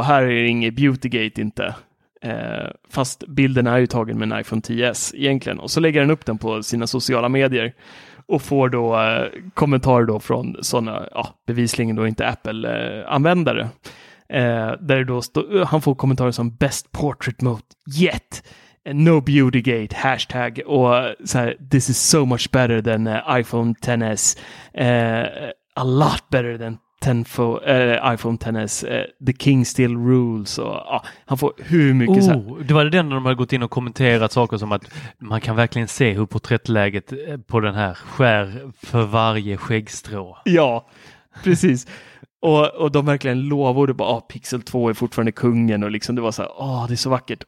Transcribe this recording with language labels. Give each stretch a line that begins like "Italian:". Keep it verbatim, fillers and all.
Swedish: Här är det inget Beautygate inte. Eh, fast bilden är ju tagen med en iPhone X S egentligen. Och så lägger han upp den på sina sociala medier. Och får då eh, kommentarer då från sådana, ja, bevisligen då inte Apple-användare. Eh, där då stå, han får kommentarer som
English: best portrait mode yet. No Beautygate, hashtag.
Swedish: Och så här,
English: this is so much better than uh, iPhone X S. Uh, a lot better than Tenfo, äh, iPhone X S, äh, the king still rules.
Swedish: Och, ja, han får hur mycket oh, så här. Det var det den när de hade gått in och kommenterat saker som att man kan verkligen se hur porträttläget på den här skär för varje skäggstrå. Ja, precis. och, och de verkligen lovade bara, ah, Pixel två är fortfarande kungen, och liksom det var så här, ah, det är så vackert.